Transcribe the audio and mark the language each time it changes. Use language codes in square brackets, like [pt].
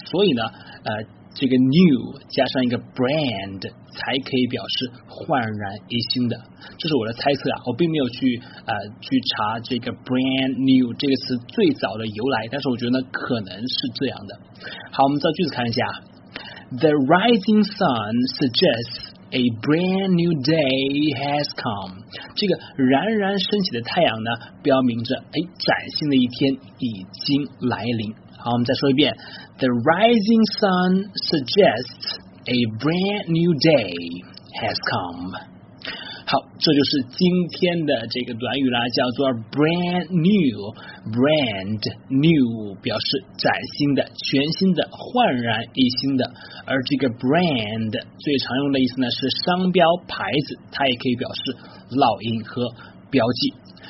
[zh] 所以呢这个 new 加上一个 brand 才可以表示焕然一新的，这是我的猜测啊，我并没有去查这个 brand new 这个词最早的由来，但是我觉得可能是这样的。好，我们造句子看一下。 [en] The rising sun suggests a brand new day has come。 [zh] 这个冉冉升起的太阳呢，标明着崭新的一天已经来临。好，我们再说一遍。 [en] The rising sun suggests a brand new day has come。 [zh] 好，这就是今天的这个短语啦，叫做 brand new。 brand new 表示崭新的、全新的、焕然一新的。而这个 brand 最常用的意思呢是商标、牌子，它也可以表示烙印和标记。